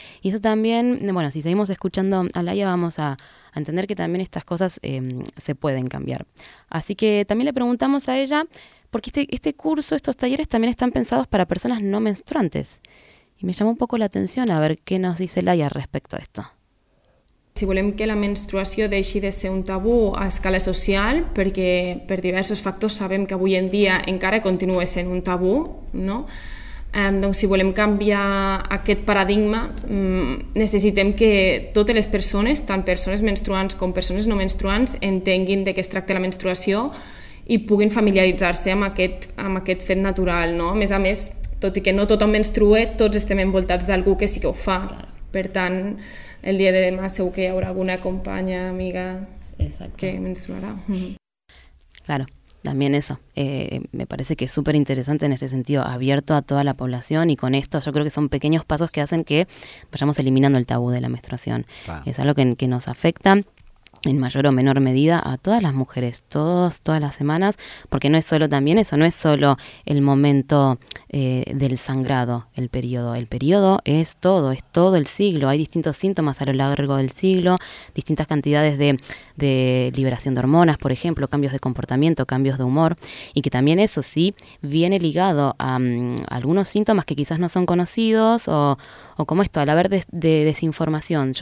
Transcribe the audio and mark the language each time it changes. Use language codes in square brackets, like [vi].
[es] Y eso también, bueno, si seguimos escuchando a Laia, vamos a entender que también estas cosas se pueden cambiar. Así que también le preguntamos a ella, porque este curso, estos talleres también están pensados para personas no menstruantes. Y me llamó un poco la atención a ver qué nos dice Laia respecto a esto. [ca] Si volem que la menstruació deixi de ser un tabú a escala social, perquè per diversos factors sabem que avui en dia encara continua sent un tabú, no? Doncs si volem canviar aquest paradigma, necessitem que totes les persones, tant persones menstruants com persones no menstruants, entenguin de què es tracta la menstruació i puguin familiaritzar-se amb aquest fet natural, no? A més, tot i que no tothom menstrua, tots estem envoltats d'algú que sí que ho fa. Per tant, el dia de demà segur que hi haurà alguna companya, amiga, exacte, que menstruarà. [es] Claro, también eso. Me parece que es súper interesante en ese sentido, abierto a toda la población, y con esto yo creo que son pequeños pasos que hacen que vayamos eliminando el tabú de la menstruación. Claro. Es algo que nos afecta en mayor o menor medida a todas las mujeres, todas las semanas, porque no es solo también eso, no es solo el momento del sangrado, el periodo es todo el ciclo, hay distintos síntomas a lo largo del ciclo, distintas cantidades de liberación de hormonas, por ejemplo, cambios de comportamiento, cambios de humor, y que también eso sí viene ligado a algunos síntomas que quizás no son conocidos o como esto, al haber de desinformación.